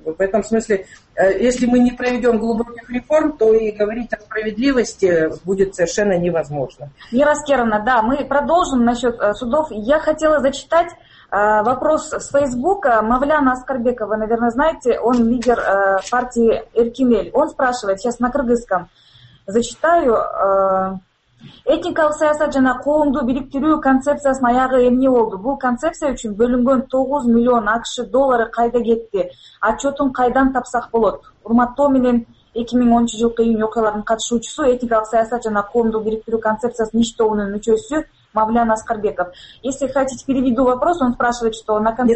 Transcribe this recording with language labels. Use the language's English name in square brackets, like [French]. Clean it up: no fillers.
[Russian] В этом смысле, если мы не проведем глубоких реформ, то и говорить о справедливости будет совершенно невозможно. Мира Скеровна, да, мы продолжим насчет судов. Я хотела зачитать вопрос с Фейсбука. Мавляна Аскарбекова, наверное, знаете, он лидер партии «Эркинель». Он спрашивает, сейчас на кыргызском зачитаю. [Kyrgyz] «Этникалық саясат жана коомду бириктирүү концепциясынын аягы эмне болду? Бул концепция үчүн бөлүнгөн 9 миллион АКШ доллары кайда кетти? Отчетун кайдан тапсак болот? Урматтоо менен 2013 жылкы июнь окуяларынын катышуучусу, этникалық саясат жана коомду бириктирүү концепциясынын иш тобунун мүчөсү Мавлян Аскарбеков». [Russian] Если хотите, переведу вопрос, он спрашивает, что на конце...